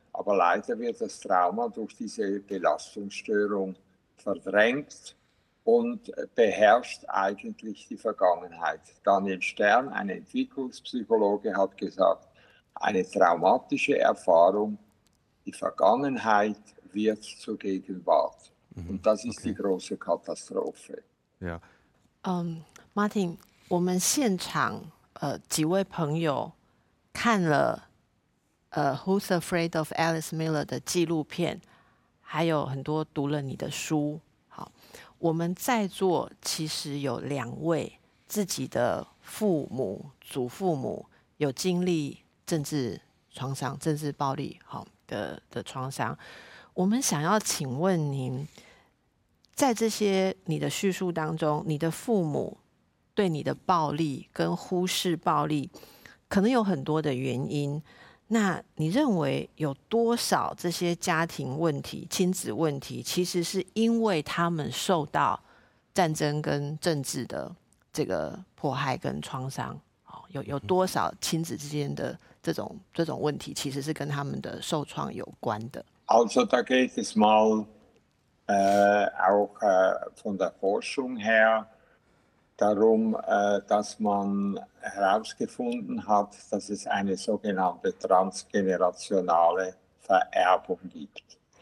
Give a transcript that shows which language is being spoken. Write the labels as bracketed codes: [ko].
[de] Aber leider wird das Trauma durch diese Belastungsstörung verdrängt und beherrscht eigentlich die Vergangenheit. Daniel Stern, ein Entwicklungspsychologe, hat gesagt, eine traumatische Erfahrung, die Vergangenheit wird zur Gegenwart. Und das ist die Okay. große Katastrophe. Ja. [zh] Martin，我们现场几位朋友看了。 Who's Afraid of Alice Miller 的纪录片，还有很多读了你的书。好，我们在座其实有两位自己的父母、祖父母有经历政治创伤、政治暴力，好，的创伤。我们想要请问您，在这些你的叙述当中，你的父母对你的暴力跟忽视暴力，可能有很多的原因。那你认为有多少这些家庭问题、亲子问题，其实是因为他们受到战争跟政治的这个迫害跟创伤？哦，有多少亲子之间的这种问题，其实是跟他们的受创有关的。 [de] Also, da geht es mal auch von der Forschung her darum, dass man herausgefunden hat, dass es eine sogenannte transgenerationale Vererbung gibt.